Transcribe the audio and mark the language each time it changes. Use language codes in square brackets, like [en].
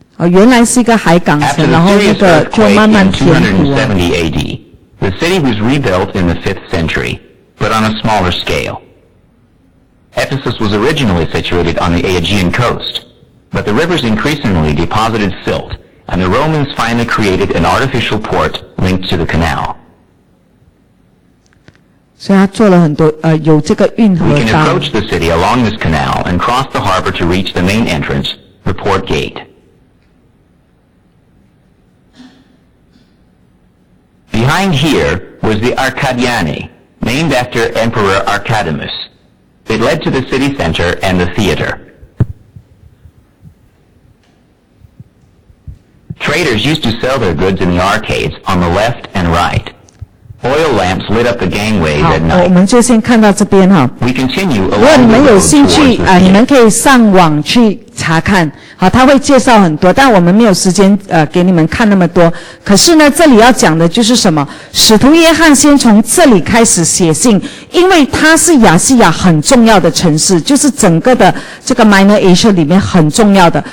[zh] 原来是一个海港城，然后那个就慢慢填土了。 [en] 270 AD, the city was rebuilt in the 5th century, but on a smaller scale. Ephesus was originally situated on the Aegean coast, but the rivers increasingly deposited silt, and the Romans finally created an artificial port linked to the canal. [zh] 所以他做了很多有这个运河。 [en] We can approach the city along this canal and cross the harbor to reach the main entrance, the port gate. Behind here was the Arcadiani, named after Emperor Arcadimus. It led to the city center and the theater. Traders used to sell their goods in the arcades on the left and right. Oil lamps lit up the gangways at night. [zh] 好，我们就先看到这边哈。 [en] We continue along. [zh] 如果你们有兴趣啊，你们可以上网去查看。好，他会介绍很多，但我们没有时间给你们看那么多。可是呢，这里要讲的就是什么？使徒约翰先从这里开始写信，因为他是亚细亚很重要的城市，就是整个的这个 Minor Asia 里面很重要的。